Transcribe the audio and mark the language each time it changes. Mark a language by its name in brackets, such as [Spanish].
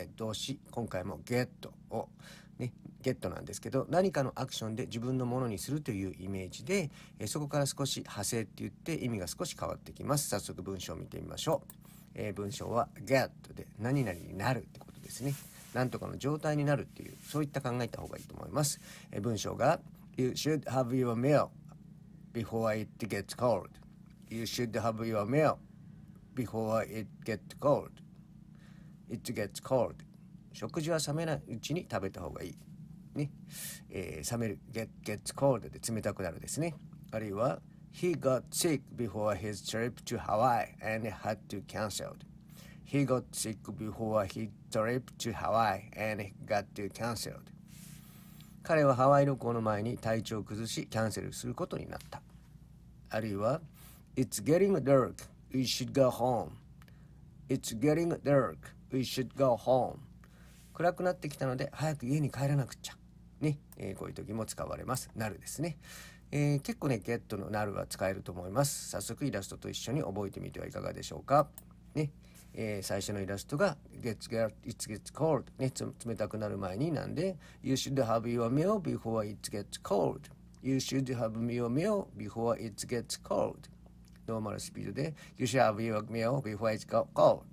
[Japanese] 動詞、今回も get を、ね、get なんですけど、何かのアクションで自分のものにするというイメージで、そこから少し派生って言って意味が少し変わってきます。早速文章を見てみましょう。文章は get で何々になるってことですね。なんとかの状態になるっていう、そういった考えた方がいいと思います。文章が [English] You should have your meal before it gets cold. You should have your meal before it gets cold. It gets cold. [Japanese] 食事は冷めないうちに食べた方がいい。ね、冷める。 [English] gets cold [Japanese] で冷たくなるですね。あるいは [English] He got sick before his trip to Hawaii and had to cancel. He got sick before he trip to Hawaii and got to canceled. [Japanese] 彼はハワイ旅行の前に体調を崩しキャンセルすることになった。あるいは [English] It's getting dark. We should go home. It's getting dark. We should go home. [Japanese] 暗くなってきたので早く家に帰らなくちゃ。ね、こういう時も使われます。なるですね。結構ね、get のなるは使えると思います。早速イラストと一緒に覚えてみてはいかがでしょうか。ね。最初のイラストが [English] It gets cold、 [Japanese] ね、冷たくなる前になんで [English] You should have your meal before it gets cold You should have your meal before it gets cold [Japanese] ノーマルスピードで [English] You should have your meal before it gets cold